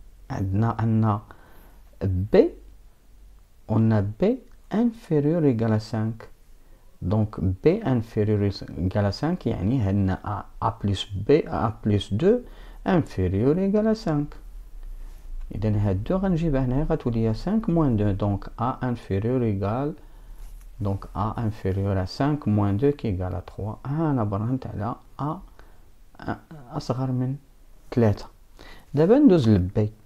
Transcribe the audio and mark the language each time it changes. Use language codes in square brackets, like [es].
[fr] On a B. On a B inférieur égal à 5. Donc B inférieur égal à 5, [ar] يعني هنا [fr] A plus B A plus 2 inférieur égal à 5. [ar] إذن هاد 2 غنجيبها هنا غتولي [fr] 5 moins 2. Donc A inférieur égal donc A inférieur à 5 moins 2 qui égal à 3. [ar] أنا برهنت على A أصغر من 3. دابا ندوز ل B.